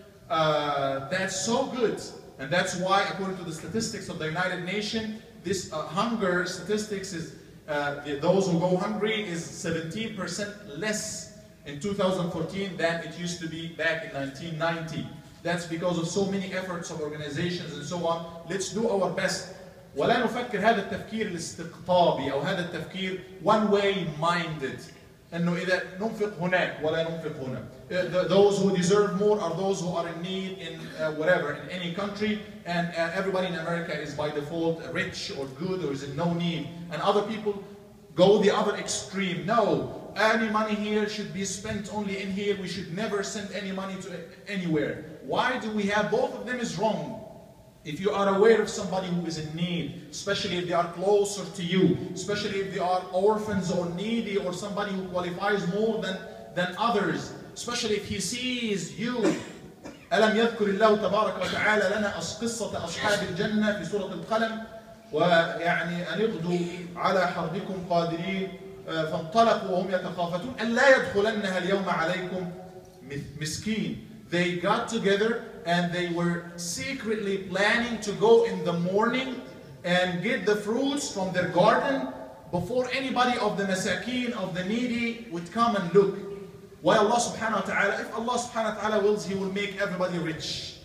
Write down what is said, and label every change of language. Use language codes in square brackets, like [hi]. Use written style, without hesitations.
[en] That's so good. And that's why, according to the statistics of the United Nations, this hunger statistics is, those who go hungry is 17% less in 2014 than it used to be back in 1990. That's because of so many efforts of organizations and so on. Let's do our best. [ar] ولا نفكر هذا التفكير الاستقطابي أو هذا التفكير [en] one-way minded. [ar] إنه إذا ننفق هناك ولا ننفق هنا. [en] Those who deserve more are those who are in need in whatever, in any country. And everybody in America is by default rich or good or is in no need. And other people go the other extreme. No. Any money here should be spent only in here. We should never send any money to anywhere. Why do we have both of them is wrong. If you are aware of somebody who is in need, especially if they are closer to you, especially if they are orphans or needy or somebody who qualifies more than others, especially if he sees you. [ar] ألم يذكر الله تبارك وتعالى لنا قصة أصحاب الجنة في سورة القلم ويعني أن اغدوا على حربكم قادرين فانطلقوا وهم يتخافتون أن لا يدخلنها اليوم عليكم مسكين. [en] They got together and they were secretly planning to go in the morning and get the fruits from their garden before anybody of the masakeen, of the needy, would come and look. Why Allah subhanahu wa ta'ala, if Allah subhanahu wa ta'ala wills, He will make everybody rich.